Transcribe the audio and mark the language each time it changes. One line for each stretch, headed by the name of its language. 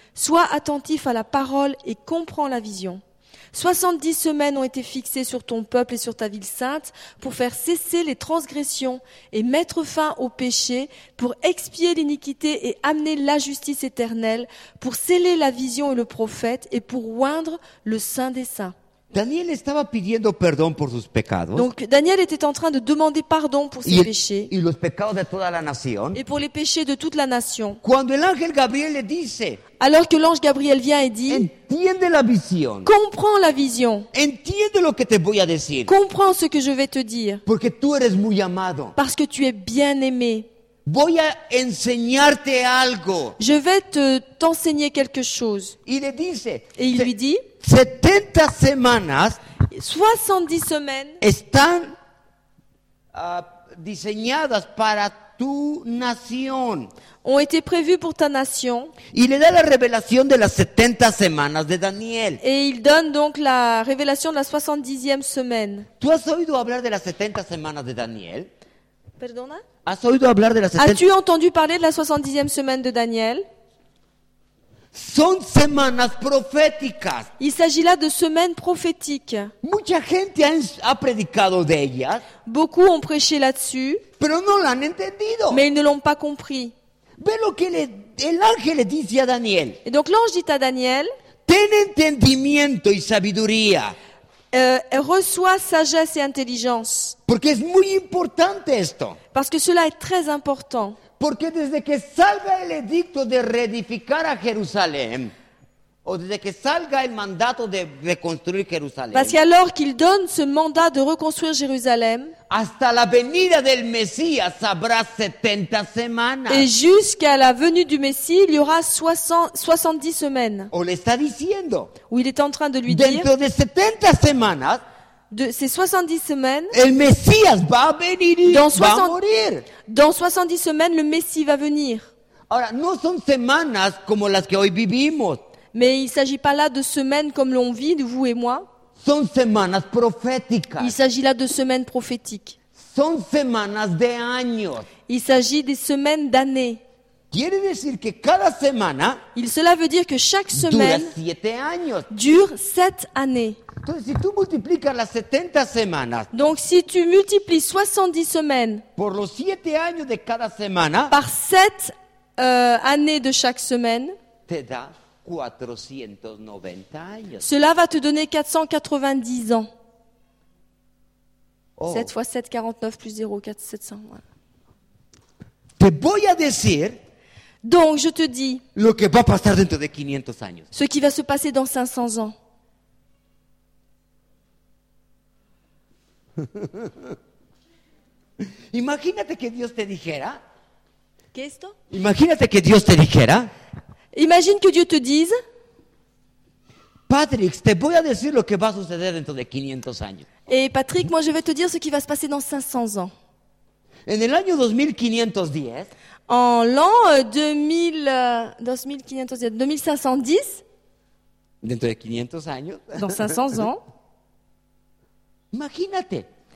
French: Sois attentif à la parole et comprends la vision. » 70 semaines ont été fixées sur ton peuple et sur ta ville sainte pour faire cesser les transgressions et mettre fin au péché, pour expier l'iniquité et amener la justice éternelle, pour sceller la vision et le prophète et pour oindre le Saint des Saints.
Spanish: Daniel estaba pidiendo perdón por sus pecados.
French: Donc Daniel était en train de demander pardon pour ses péchés.
Spanish: Y los pecados de toda la nación.
French: Et pour les péchés de toute la nation.
Spanish: Cuando el ángel Gabriel le dice.
French: Alors que l'ange Gabriel vient et dit.
Spanish: Entiende la visión.
French: Comprends la vision.
Spanish: Entiende lo que te voy a decir.
French: Comprends ce que je vais te dire.
Spanish: Porque tú eres muy amado.
French: Parce que tu es bien aimé.
Spanish: Voy a enseñarte algo.
French: Je vais t'enseigner quelque chose.
Spanish: Y le dice.
French: Et il lui dit.
Spanish: 70 semanas
French: 70 semaines
Spanish: están diseñadas para tu nación.
French: Ont été prévues pour ta nation.
Spanish: Y le da la revelación de las 70 semanas de Daniel.
French: Et il donne donc la révélation de la 70e semaine.
Spanish: ¿Tú has oído hablar de las 70 semanas de Daniel? Perdona? ¿Has oído hablar de las 70?
French: As-tu entendu parler de la 70e semaine de Daniel?
Spanish: Son semanas proféticas.
French: Il s'agit là de semaines prophétiques.
Spanish: Mucha gente ha predicado de ellas.
French: Beaucoup ont prêché là-dessus.
Spanish: Pero no lo han entendido.
French: Mais ils ne l'ont pas compris.
Spanish: Ve lo que el ángel le dice a Daniel.
French: Et donc l'ange dit à Daniel.
Spanish: Ten entendimiento y sabiduría.
French: Reçoit sagesse et intelligence.
Spanish: Porque es muy importante esto.
French: Parce que cela est très important.
Spanish: Porque desde que salga el edicto de reedificar a Jerusalén, o desde que salga el mandato de reconstruir Jerusalén,
French: parce qu'alors qu'il donne ce mandat de reconstruire Jérusalem,
Spanish: hasta la venida del Mesías habrá 70 semanas.
French: Et jusqu'à la venue du Messie, il y aura 70 semaines.
Spanish: O le está diciendo.
French: Où il est en train de lui
Spanish: dentro
French: dire.
Spanish: Dentro de 70 semanas.
French: De ces 70 semaines,
Spanish: el Mesías va a venir, va a morir.
French: Dans 70 semaines, le Messie va venir.
Spanish: Ahora, no son semanas como las que hoy vivimos.
French: Mais il s'agit pas là de semaines comme l'on vit, vous et moi.
Spanish: Son semanas proféticas.
French: Il s'agit là de semaines prophétiques.
Spanish: Son semanas de años.
French: Il s'agit des semaines d'années.
Spanish: Quiere decir que cada semana
French: cela veut dire que chaque semaine
Spanish: dura 7 años.
French: Dure 7 années.
Spanish: Entonces, si tú multiplicas las 70 semanas,
French: donc si tu multiplies 70 semaines
Spanish: por los 7 años de cada semana,
French: par 7 années de chaque semaine,
Spanish: te da 490 años.
French: Cela va te donner 490 ans. Oh. 7 fois 7, 49 plus 0, 4, 700. Voilà.
Spanish: Te voy a decir.
French: Donc je te dis
Spanish: lo que va pasar dentro de 500 años.
French: Ce qui va se passer dans 500 ans.
Spanish: Imagínate que Dios te dijera. ¿Qué esto? Imagínate que Dios te dijera.
French: Imagine que Dieu te dise.
Spanish: Patrick, te voy a decir lo que va a suceder dentro de 500 años.
French: Et Patrick, moi je vais te dire ce qui va se passer dans 500 ans.
Spanish: En el año 2510.
French: En l'an 2510.
Spanish: Dentro de 500 años.
French: Dans 500 ans.
Spanish: Imagínate.